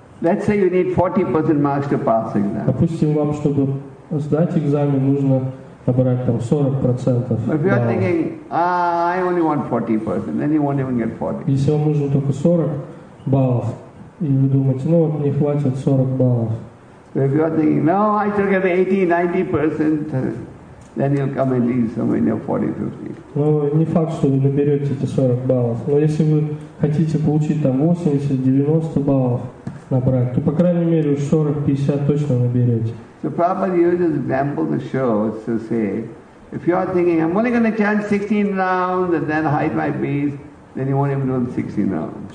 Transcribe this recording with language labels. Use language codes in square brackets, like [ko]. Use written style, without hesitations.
[en] Let's say you need 40% marks to pass exam. [ru] Допустим, вам, чтобы сдать экзамен, нужно набрать там 40%. [en] But if you're thinking, I only want 40%, then you won't even get 40. [ru] Если вам нужно только 40 баллов, и вы думаете, ну вот мне хватит 40 баллов. [en] But if you're thinking, no, I should get 80-90%. Then you'll come and leave somewhere near 40-50. [ru] Ну, не факт, что вы наберете эти 40 баллов. Но если вы хотите получить там 80-90 баллов набрать, то по крайней мере 40-50 точно наберете. [en] So Prabhupada uses examples to show to say, if you are thinking I'm only going to chant 16 rounds and then hide my face, then you won't even do 16 rounds.